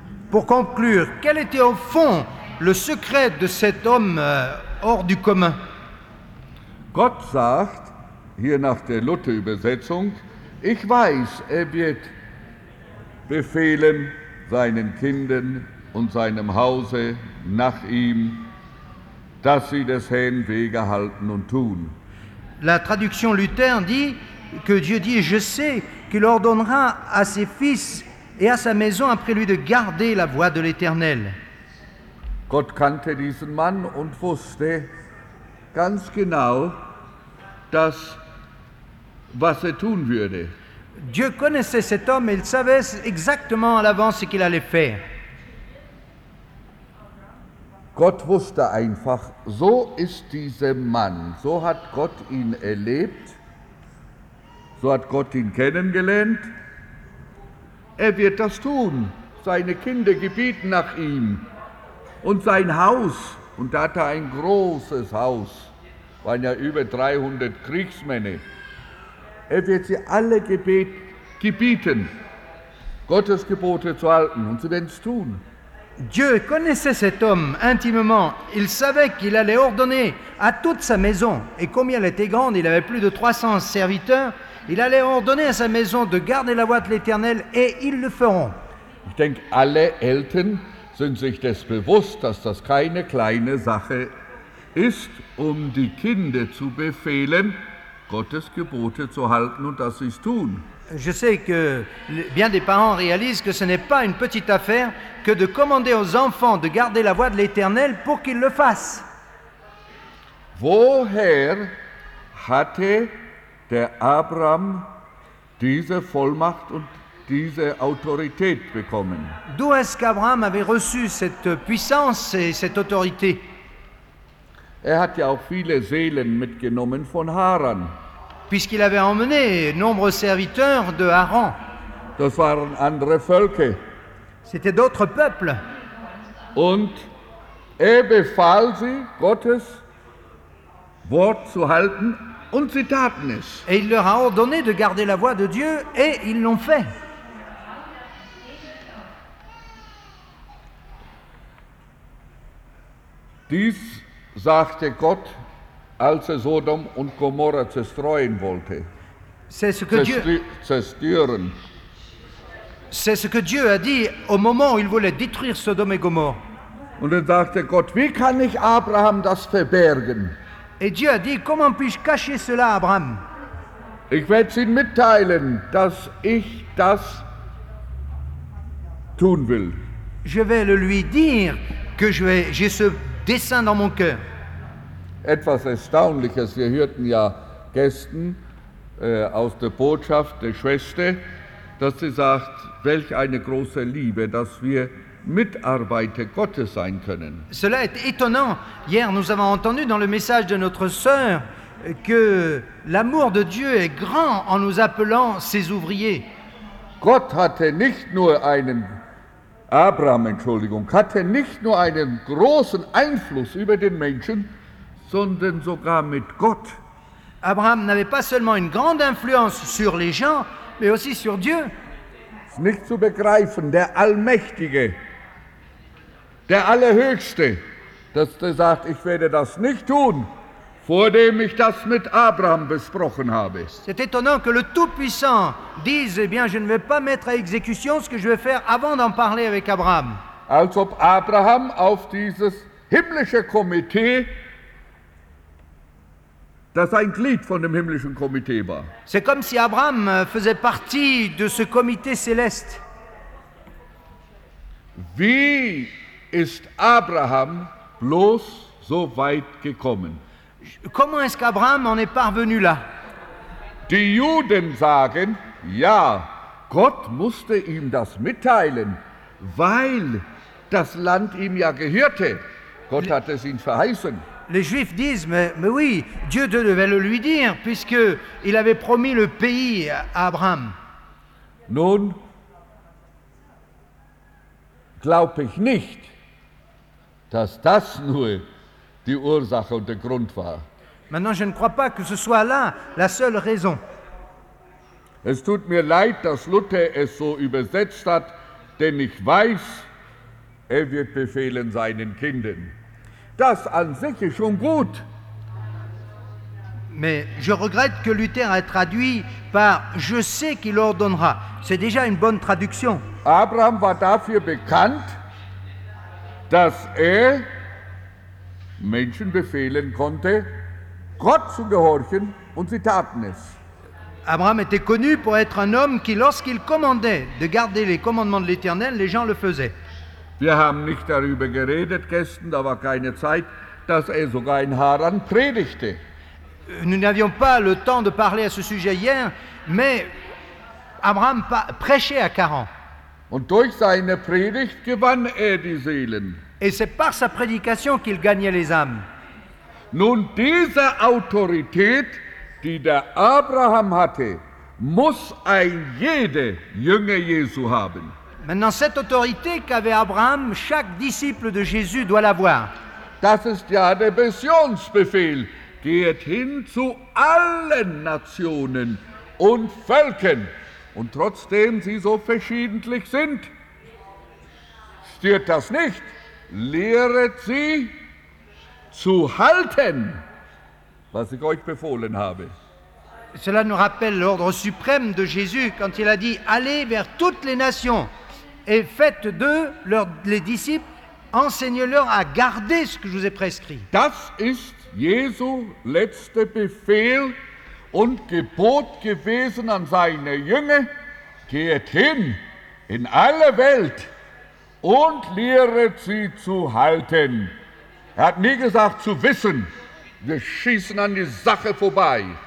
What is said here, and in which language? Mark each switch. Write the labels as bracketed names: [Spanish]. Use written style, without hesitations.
[French] Pour conclure, quel était au fond le secret de cet homme hors du commun? [German] Gott sagt, hier nach der Luther-Übersetzung, ich weiß, er wird befehlen seinen Kindern und seinem Hause nach ihm, dass sie des Herrn Wege halten und tun. [French] La traduction Luther dit que Dieu dit, je sais qu'il ordonnera à ses fils et à sa maison après lui de garder la voie de l'Éternel. [German] Gott kannte diesen Mann und wusste ganz genau, dass was er tun würde. [French] Dieu connaissait cet homme et il savait exactement à l'avance ce qu'il allait faire. [German] Gott wusste einfach, so ist dieser Mann, so hat Gott ihn erlebt, so hat Gott ihn kennengelernt. Er wird das tun, seine Kinder gebieten nach ihm und sein Haus. Und da hat er ein großes Haus, waren ja über 300 Kriegsmänner. Er wird sie alle gebieten, Gottes Gebote zu halten und sie werden es tun. [French] Dieu connaissait cet homme intimement. Il savait qu'il allait ordonner à toute sa maison, et comme elle était grande, il avait plus de 300 serviteurs, il allait ordonner à sa maison de garder la voie de l'Éternel, et ils le feront. [German] Ich denke, alle Eltern sind sich des bewusst, dass das keine kleine Sache ist, die Kinder zu befehlen, Gottes Gebote zu halten und dass sie es tun. [French] Je sais que bien des parents réalisent que ce n'est pas une petite affaire que de commander aux enfants de garder la voie de l'Éternel pour qu'ils le fassent. [German] Woher hatte der Abraham diese Vollmacht und diese Autorität bekommen? [French] D'où est-ce qu'Abraham avait reçu cette puissance et cette autorité? [German] Er hat ja auch viele Seelen mitgenommen von Haran. [French] Puisqu'il avait emmené nombreux serviteurs de Haran. [German] Das waren andere Völker. [French] C'était d'autres peuples. [German] Und er befahl sie, Gottes Wort zu halten, und sie taten es. [French] Et il leur a ordonné de garder la voie de Dieu, et ils l'ont fait. [German] Dies sagte Gott, als er Sodom und Gomorra zerstreuen wollte. Zerstören. [French] C'est ce que Dieu a dit au moment où il voulait détruire Sodome et Gomorre. [German] Und dann sagte Gott, wie kann ich Abraham das verbergen? [French] Et Dieu a dit, comment puis-je cacher cela, Abraham? [German] Ich werde ihm mitteilen, dass ich das tun will. [French] Je vais le lui dire que j'ai ce dessein dans mon cœur. [German] Etwas Erstaunliches, wir hörten ja gestern aus der Botschaft der Schwester, dass sie sagt, welch eine große Liebe, dass wir Mitarbeiter Gottes sein können. [French] Cela est étonnant. Hier, nous avons entendu dans le message de notre sœur que l'amour de Dieu est grand en nous appelant ses ouvriers. [German] Gott hatte nicht nur einen Abraham, Entschuldigung, hatte nicht nur einen großen Einfluss über den Menschen, sondern sogar mit Gott. [French] Abraham n'avait pas seulement une grande influence sur les gens, mais aussi sur Dieu. [German] Nicht zu begreifen, der Allmächtige, der Allerhöchste, dass der sagt, ich werde das nicht tun, vor dem ich das mit Abraham besprochen habe. [French] C'est étonnant que le Tout-Puissant dise, eh bien, je ne vais pas mettre à exécution ce que je vais faire avant d'en parler avec Abraham. [German] Als ob Abraham auf dieses himmlische Komitee, dass ein Glied von dem himmlischen Komitee war. [French] C'est comme si Abraham faisait partie de ce comité céleste. [German] Wie ist Abraham bloß so weit gekommen? [French] Comment est-ce qu'Abraham en est parvenu là? [German] Die Juden sagen, ja, Gott musste ihm das mitteilen, weil das Land ihm ja gehörte. Gott hat es ihm verheißen. [French] Les Juifs disent, mais oui, Dieu devait le lui dire, puisqu'il avait promis le pays à Abraham. [German] Nun, glaube ich nicht, dass das nur die Ursache und der Grund war. [French] Maintenant, je ne crois pas que ce soit là la seule raison. [German] Es tut mir leid, dass Luther es so übersetzt hat, denn ich weiß, er wird befehlen seinen Kindern. Das an sich ist schon gut. [French] Mais je regrette que Luther ait traduit par « Je sais qu'il ordonnera ». C'est déjà une bonne traduction. [German] Abraham war dafür bekannt, dass er Menschen befehlen konnte, Gott zu gehorchen, und sie taten es. [French] Abraham était connu pour être un homme qui, lorsqu'il commandait de garder les commandements de l'Éternel, les gens le faisaient. [German] Wir haben nicht darüber geredet gestern, da war keine Zeit, dass er sogar in Haran predigte. [French] Nous n'avions pas le temps de parler à ce sujet hier, mais Abraham prêchait à Haran. [German] Und durch seine Predigt gewann er die Seelen. [French] Et c'est par sa prédication qu'il gagnait les âmes. [German] Nun, diese Autorität, die der Abraham hatte, muss ein jeder Jünger Jesu haben. [French] Maintenant, cette autorité qu'avait Abraham, chaque disciple de Jésus doit l'avoir. [German] Das ist ja der Missionsbefehl. Geht hin zu allen Nationen und Völkern. Und trotzdem sie so verschiedentlich sind, stört das nicht. Lehret sie zu halten, was ich euch befohlen habe. [French] Cela nous rappelle l'ordre suprême de Jésus quand il a dit « Allez vers toutes les nations ». Et faites d'eux les disciples, enseignez-leur à garder ce que je vous ai prescrit. [German] Das ist Jesu letzter Befehl und Gebot gewesen an seine Jünger: Geht hin in alle Welt und lehret sie zu halten. Er hat nie gesagt zu wissen. Wir schießen an die Sache vorbei.